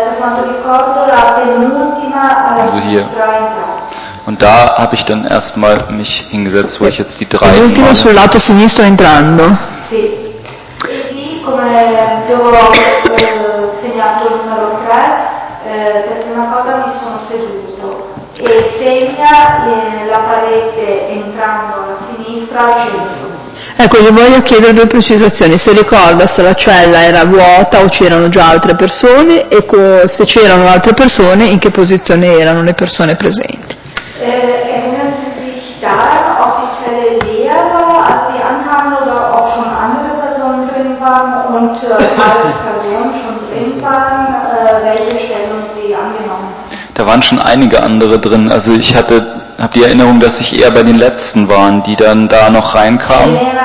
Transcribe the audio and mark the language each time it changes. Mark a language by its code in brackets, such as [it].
[de] Also hier. Und da habe ich dann erstmal mich hingesetzt, wo ich jetzt die drei. [it] L'ultima sul lato sinistro entrando. Sì. E lì, come ho segnato il numero 3, per prima cosa mi sono seduto. E segna la parete entrando alla sinistra al centro. Ecco, gli voglio chiedere due precisazioni. Se ricorda se la cella era vuota o c'erano già altre persone, e se c'erano altre persone, in che posizione erano le persone presenti? [de] Erinnern Sie sich daran, ob die Zelle leer war, als Sie ankamen, oder ob schon andere Personen drin waren und alles Personen schon drin waren, welche Stellung Sie angenommen? Da waren schon einige andere drin. Also ich hatte... Ich habe die Erinnerung, dass ich eher bei den Letzten war, die dann da noch reinkamen.